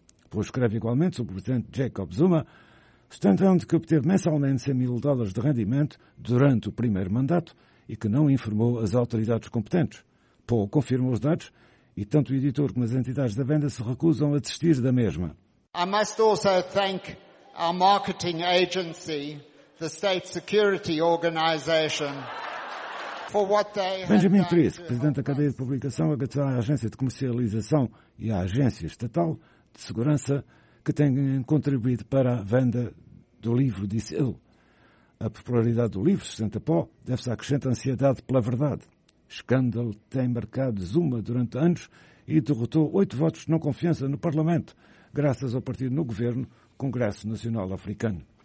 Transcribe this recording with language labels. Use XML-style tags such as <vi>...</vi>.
<pt>Pou escreve igualmente sobre o presidente Jacob Zuma, sustentando que obteve mensalmente US$ 100 mil de rendimento durante o primeiro mandato e que não informou as autoridades competentes. Pou confirma os dados e tanto o editor como as entidades da venda se recusam a desistir da mesma.</pt> <en>I must also thank our marketing agency, the State Security Organization, for what they have done.</en> <pt>Benjamin Price, presidente da cadeia de publicação, agradeceu à agência de comercialização e à agência estatal de segurança que têm contribuído para a venda do livro, disse ele. A popularidade do livro, sustenta Pó, deve-se à crescente ansiedade pela verdade. Escândalo tem marcado Zuma durante anos e derrotou 8 votos de não confiança no Parlamento, graças ao partido no governo, Congresso Nacional Africano.</pt>